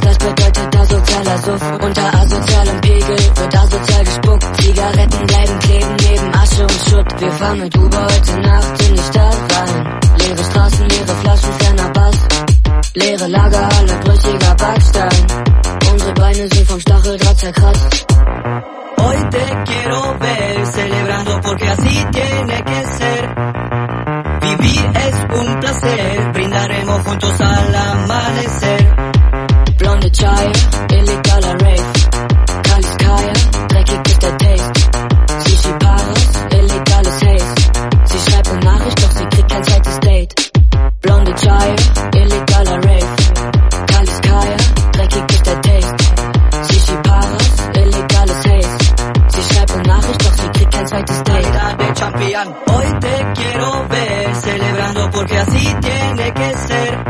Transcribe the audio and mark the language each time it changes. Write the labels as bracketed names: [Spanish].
[German] Das bedeutet asozialer Suff, unter asozialem Pegel wird asozial gespuckt. Zigaretten bleiben kleben, neben Asche und Schutt. Wir fahren mit Uber heute Nacht in die Stadt rein. Leere Straßen, leere Flaschen, ferner Bass. Leere Lagerhalle, brüchiger Backstein. Unsere Beine sind vom Stacheldraht zerkratzt. [Spanish] Hoy te quiero ver celebrando porque así tiene que ser. Vivir es un placer, brindaremos juntos al amanecer. [German] Blonde Chaya, illegal rave. Kaliskaya, dreckig ist der Taste. Sushi Paras, illegales Haze. Sie schreibt eine Nachricht, doch sie kriegt kein zweites Date. Blonde Chaya, illegal rave. Kaliskaya, dreckig ist der Taste. Sushi Paras, illegales Haze. Sie schreibt eine Nachricht, doch sie kriegt kein zweites Date. Alter, der Champion. [Spanish] Heute quiero ver, celebrando porque así tiene que ser.